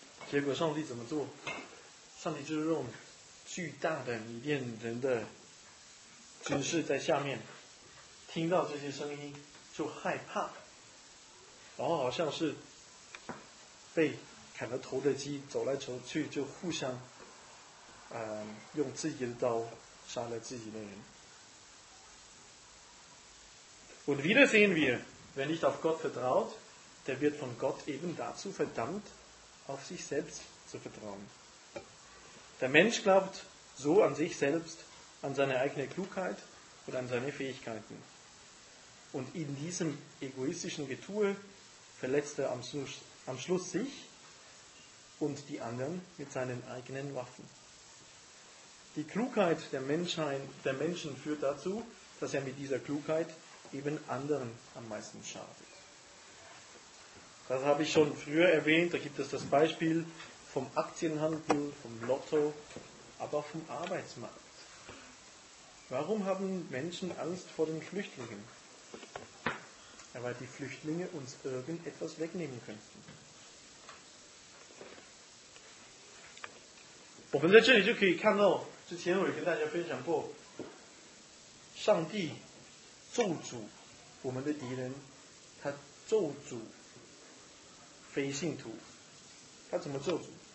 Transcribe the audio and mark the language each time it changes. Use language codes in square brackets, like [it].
[zh] 结果上帝怎么做？上帝就是用巨大的米甸人的军士在下面听到这些声音就害怕，然后好像是被砍了头的鸡，走来走去就互相用自己的刀杀了自己的人。 [de] Und wieder sehen wir, wer nicht auf Gott vertraut, der wird von Gott eben dazu verdammt, auf sich selbst zu vertrauen. Der Mensch glaubt so an sich selbst, an seine eigene Klugheit und an seine Fähigkeiten. Und in diesem egoistischen Getue verletzt er am Schluss sich und die anderen mit seinen eigenen Waffen. Die Klugheit der Menschheit, der Menschen führt dazu, dass er mit dieser Klugheit eben anderen am meisten schadet. Das habe ich schon früher erwähnt, da gibt es das Beispiel vom Aktienhandel, vom Lotto, aber auch vom Arbeitsmarkt. Warum haben Menschen Angst vor den Flüchtlingen? Ja, weil die Flüchtlinge uns irgendetwas wegnehmen könnten. [zh] 我们在这里就可以看到，之前我也跟大家分享过，上帝咒诅我们的敌人，他咒诅非信徒。他怎么咒诅？